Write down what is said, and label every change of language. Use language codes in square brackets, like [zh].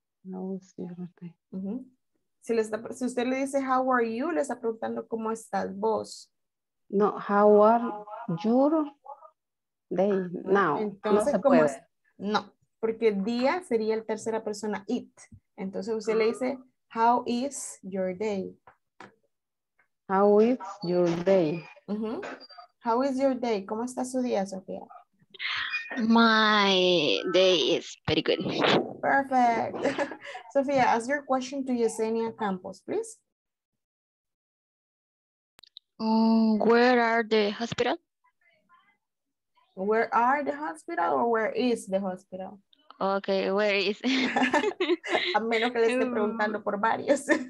[en] How is your day? [es] Si, si usted le dice, [en] how are you, [es] le está preguntando, ¿cómo estás vos? [en] No, how are your day now? [es] Entonces, no se ¿cómo puede. No, porque día sería el tercera persona, it. Entonces, usted le dice, [en] how is your day? How is your day? How is your day? [es] ¿Cómo está su día, [en] Sofía? My day is very good. Perfect. Sofía, ask your question to Yesenia Campos, please. Where are the hospital? Where are the hospital or where is the hospital? Okay, where is? [es] A menos que le esté preguntando por varios.